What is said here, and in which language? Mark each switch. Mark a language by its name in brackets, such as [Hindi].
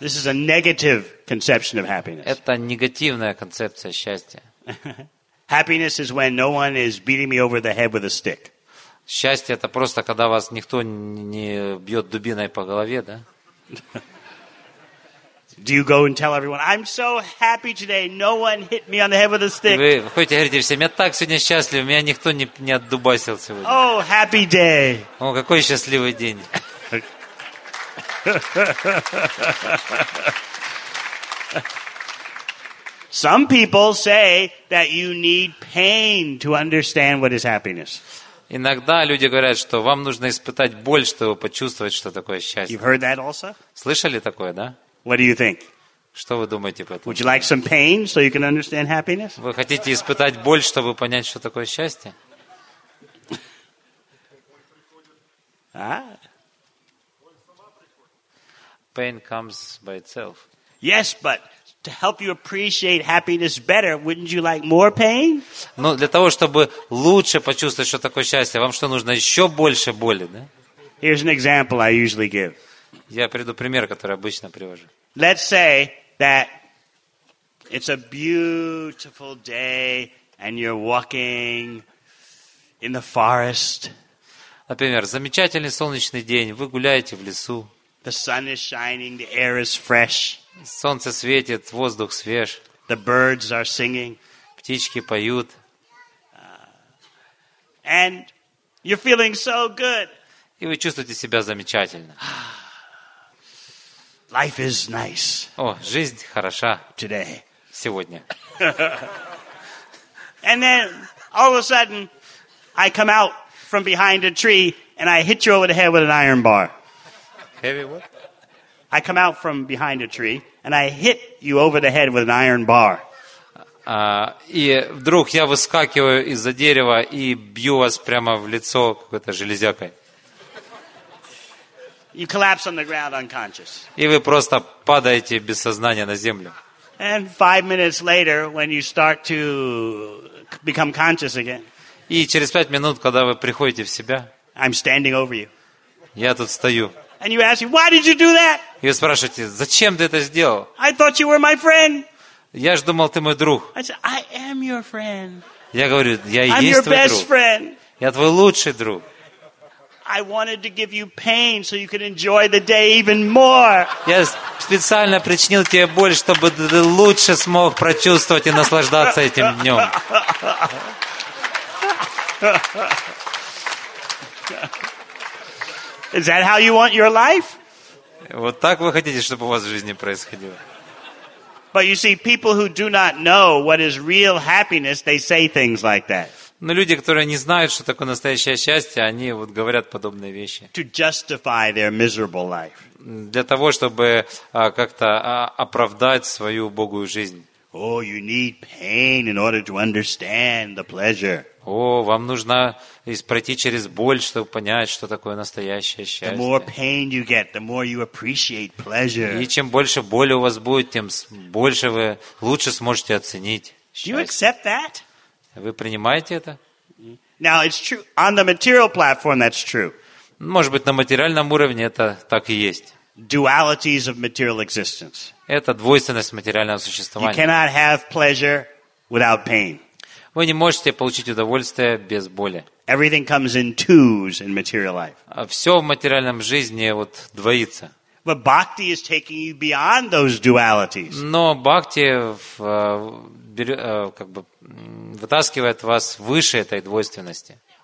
[English] This is a negative conception of happiness. [Russian] Это негативная концепция счастья. [English] Happiness is when no one is beating me over the head with a stick. [Russian] Счастье — это просто когда вас никто не бьет дубиной по голове, да? [English] Do you go and tell everyone, I'm so happy today, no one hit me on the head with a stick? [Russian] Вы хоть говорите всем, я так сегодня счастлив, меня никто не отдубасил сегодня. [English] Oh, happy day. [Russian] О, какой счастливый день. [English] Some people say that you need pain to understand what is happiness. [Russian] Иногда люди говорят, что вам нужно испытать боль, чтобы почувствовать, что такое счастье. [English] You've heard that also? [Russian] Слышали такое, да? [English] What do you think? [Russian] Что вы думаете по этому? [English] Would you like some pain so you can understand happiness? [Russian] Вы хотите испытать боль, чтобы понять, что такое счастье? А? [English] Pain comes by itself. Yes, but to help you appreciate happiness better, wouldn't you like more pain? [Russian] Ну, для того, чтобы лучше почувствовать, что такое счастье, вам что, нужно еще больше боли, да? [English] Here's an example I usually give. [Russian] Я приведу пример, который обычно привожу. [English] Let's say that it's a beautiful day and you're walking in the forest. [Russian] Например, замечательный солнечный день, вы гуляете в лесу. [English] The sun is shining, the air is fresh. [Russian] Солнце светит, воздух свеж. [English] The birds are singing. [Russian] Птички поют. [English] And you're feeling so good. [Russian] И вы чувствуете себя замечательно. [English] Life is nice. [Russian] О, жизнь хороша. [English] Today. [Russian] Сегодня. [English] And then all of a sudden I come out from behind a tree and I hit you over the head with an iron bar. Heavy what? I come out from behind a tree and I hit you over the head with an iron bar. [Russian] И вдруг я выскакиваю из-за дерева и бью вас прямо в лицо какой-то железякой. [English] You collapse on the ground unconscious. [Russian] И вы просто падаете без сознания на землю. [English] And 5 minutes later, when you start to become conscious again. [Russian] И через 5 минут, когда вы приходите в себя. [English] I'm standing over you. [Russian] Я тут стою. [English] And you ask me, why did you do that? [Russian] И вы спрашиваете, зачем ты это сделал? [English] I thought you were my friend. [Russian] Я же думал, ты мой друг. [English] I said, I am your friend. [Russian] Я говорю, я и есть твой друг. [English] Friend. [Russian] Я твой лучший друг. [English] I wanted to give you pain so you could enjoy the day even more. [Russian] Я специально причинил тебе боль, чтобы ты лучше смог прочувствовать и наслаждаться этим днем. [English] Is that how you want your life? [Russian] Вот так вы хотите, чтобы у вас в жизни происходило? [English] But you see, people who do not know what is real happiness, they say things like that. [Russian] Но люди, которые не знают, что такое настоящее счастье, они вот говорят подобные вещи. [English] To justify their miserable life. [Russian] Для того, чтобы как-то оправдать свою убогую жизнь. [English] Oh, you need pain in order to understand the pleasure. [Russian] О, вам нужно пройти через боль, чтобы понять, что такое настоящее счастье. [English] The more pain you get, the more you appreciate pleasure. [Russian] И чем больше боли у вас будет, тем больше вы лучше сможете оценить счастье. [English] Do you accept that? [Russian] Вы принимаете это? [English] Now it's true. On the material platform, that's true. [Russian] Может быть, на материальном уровне это так и есть. [English] Dualities of material existence. [Russian] Это двойственность материального существования. [English] You cannot have pleasure without pain. [Russian] Вы не можете получить удовольствие без боли. [English] Everything comes in twos in material life. [Russian] Все в материальном жизни вот двоится. [English] But bhakti is taking you beyond those dualities. [Russian] Но бхакти как бы вытаскивает вас выше этой двойственности.